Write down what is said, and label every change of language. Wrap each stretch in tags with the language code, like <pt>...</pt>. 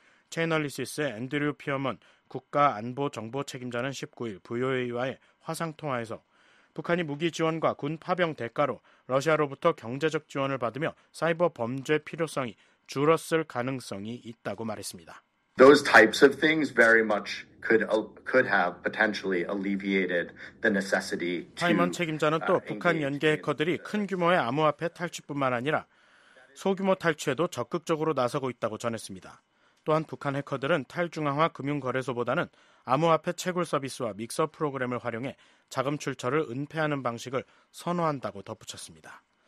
<ko>체인알리시스의 앤드류 피어먼 국가안보정보책임자는 19일 VOA와의 화상통화에서 북한이 무기 지원과 군 파병 대가로 러시아로부터 경제적 지원을 받으며 사이버 범죄 필요성이 줄었을 가능성이 있다고 말했습니다.</ko> <en>Those types of things very much could have potentially alleviated the necessity.</en> <ko>파이먼 책임자는 또 북한 연계 해커들이 큰 규모의 암호화폐 탈취뿐만 아니라 소규모 탈취에도 적극적으로 나서고 있다고 전했습니다. 또한 북한 해커들은 탈중앙화 금융거래소보다는 암호화폐 채굴 서비스와 믹서 프로그램을 활용해 자금 출처를 은폐하는 방식을 선호한다고 덧붙였습니다.</ko>